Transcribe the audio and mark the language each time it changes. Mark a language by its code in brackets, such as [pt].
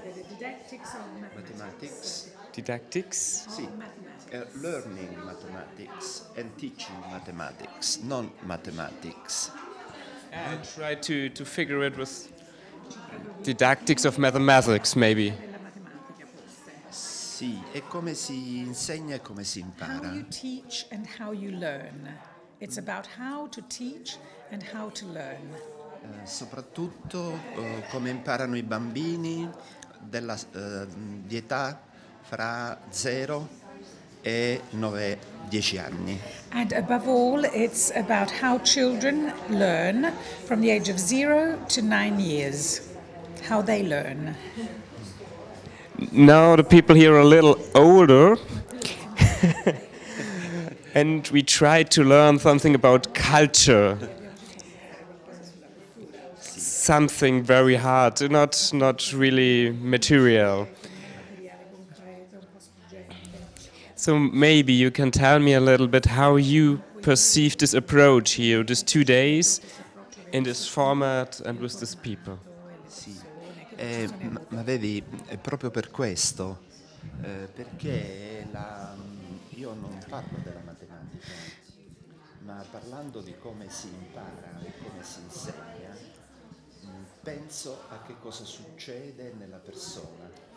[en] didactics of mathematics. Didactics? [it] Sì. [en] Learning mathematics and teaching mathematics, non mathematics. And try to figure it with didactics of mathematics, maybe. [it] Sì, e come si insegna e come si impara? [en] How you teach and how you learn. It's about how to teach and how to learn. [it] Soprattutto come imparano i bambini della di età fra 0 e 9, 10 anni. [en] And above all, it's about how children learn from the age of 0 to 9 years. How they learn. Now the people here are a little older. And we try to learn something about culture. Something very hard, not really material. So maybe you can tell me a little bit how you perceive this approach here, these 2 days, in this format and with these people. [it] Sì. Ma vedi, è proprio per questo, perché io non parlo della matematica, ma parlando di come si impara e come si insegna, penso a che cosa succede nella persona.